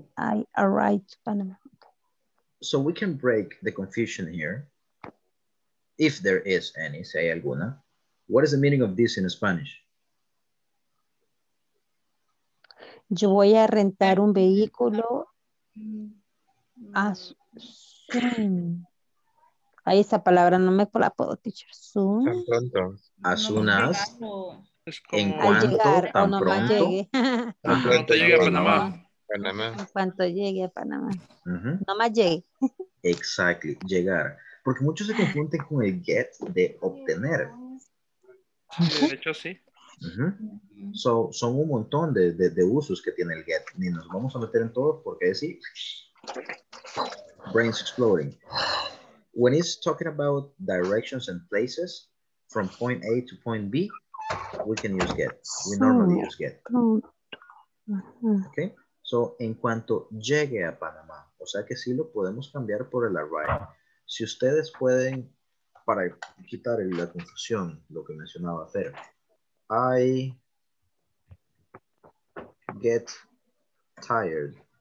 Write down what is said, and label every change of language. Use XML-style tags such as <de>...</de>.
<en>How can I get to the beach? How can I get to the supermarket? Exactly. I arrived to Panama. So we can break the confusion here. If there is any,</en> <es>si hay alguna.</es> <en>What is the meaning of this in Spanish?</en> <es>Yo voy a rentar un vehículo</es> <en>a soon.</en> <es>Ahí esa palabra no me la puedo, teacher.</es> <en>Soon.</en> <es>Tan pronto.</es> <en>As soon as.</en> <es>En cuanto tan pronto llegue. Tan pronto llegue a Panamá. Panamá. En cuanto llegue a Panamá. Uh-huh. No más llegue.</es> <en>Exactly.</en> <es>Llegar. Porque muchos se confunden con el get de obtener. hecho, sí. So, son un montón de usos que tiene el get. Ni nos vamos a meter en todo porque sí.</es> <en>Brains exploding. When it's talking about directions and places from point A to point B, we can use get. We normally use get. Okay.</en> <es>So, en cuanto llegue a Panamá, o sea que sí lo podemos cambiar por el arrive. Si ustedes pueden, para quitar la confusión, lo que mencionaba Fer,</es> <en>I get tired.</en>